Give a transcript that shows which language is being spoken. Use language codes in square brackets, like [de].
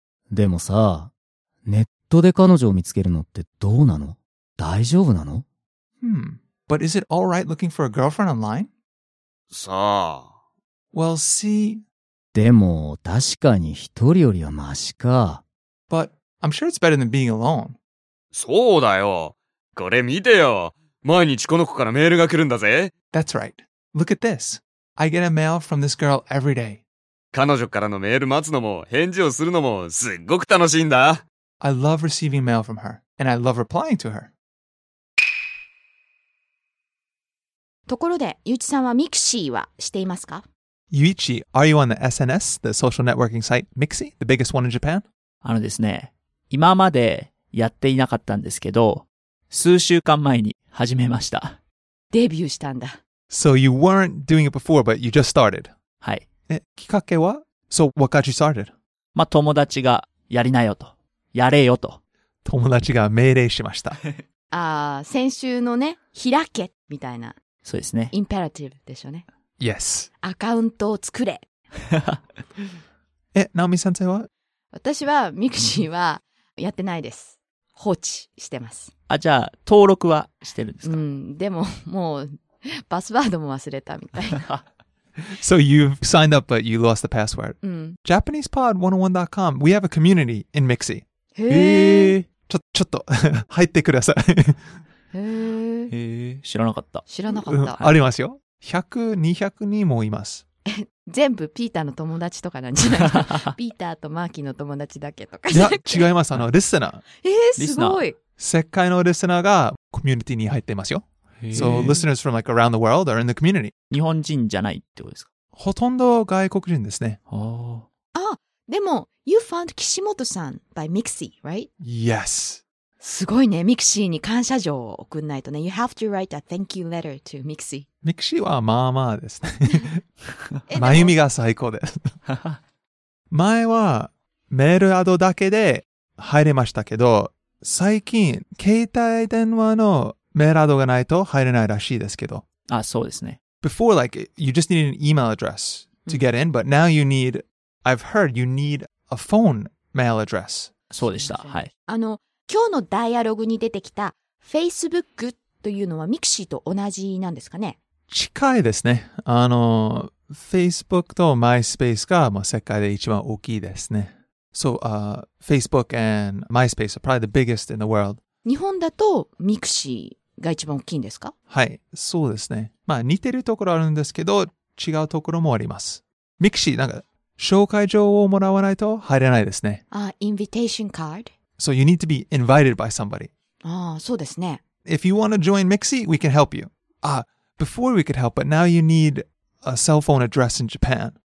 [ja] でもさ、ネットで彼女を見つけるのってどうなの？大丈夫なの？ [en] But is it all right looking for a girlfriend online? [ja] さあ。 [en] Well, see... [ja] でも、確かに一人よりはマシか。 [en] But I'm sure it's better than being alone. [ja] そうだよ。これ見てよ。毎日この子からメールが来るんだぜ。 [en] That's right. Look at this. I get a mail from this girl every day. [ja] 彼女からのメール待つのも、返事をするのも、すっごく楽しいんだ。 [en] I love receiving mail from her, and I love replying to her. [ja] ところで、ゆうちさんはミクシーはしていますか？ [en] Yuichi, are you on the SNS, the social networking site Mixie, the biggest one in Japan? [ja] あのですね、今まで、やっていなかったんですけど、数週間前に始めました。デビューしたんだ。 [en] So you weren't doing it before, but you just started. [ja] はい。え、きっかけは？ [en] So what got you started? [ja] まあ、友達がやりなよと。やれよと。友達が命令しました。ああ、先週のね、開けみたいな。そうですね。インペラティブでしょうね。 [en] Yes. [ja] アカウントを作れ。え、ナオミ先生は？私は、ミクシーは、やってないです。放置してます。あ、じゃあ、登録はしてるんですか？でも、もう、パスワードも忘れたみたいな。 [en] So you've signed up, but you lost the password. JapanesePod101.com, we have a community in Mixie. [ja] へぇー。ちょっと、入ってください。へぇー。知らなかった。知らなかった。ありますよ。100、200人もいます。全部ピーターの友達とかなんじゃないか。ピーターとマーキーの友達だけとか。いや、違います。リスナー。すごい。世界のリスナーがコミュニティに入っていますよ。 [en] So, listeners from like around the world are in the community. [ja] 日本人じゃないってことですか？ほとんど外国人ですね。あ、でも、 [en] You found 岸本さん by Mixie, right? Yes. [ja] すごいね。Mixie に感謝状を送んないとね。 [en] You have to write a thank you letter to Mixie. [ja] ミクシーはまあまあですね。まゆみが最高です。前はメールアドだけで入れましたけど、最近携帯電話のメールアドがないと入れないらしいですけど。あ、そうですね。 [en] Before, like, you just needed an email address to get in, but now you need, I've heard, you need a phone mail address. [ja] そうでした。はい。今日のダイアログに出てきた Facebook というのはミクシーと同じなんですかね？近いですね。Facebook と MySpace が、まあ、世界で一番大きいですね。 So, Facebook and MySpace are probably the biggest in the world. 日本だと Mixie が一番大きいんですか？はい、そうですね。まあ似てるところあるんですけど、違うところもあります。ミクシー、なんか紹介状をもらわないと入れないですね。 [en] あ、invitation card? So you need to be invited by somebody. [ja] ああ、そうですね。 [en] If you want to join Mixi, we can help you. Ah, before we could help, but now you need a cell phone address in Japan.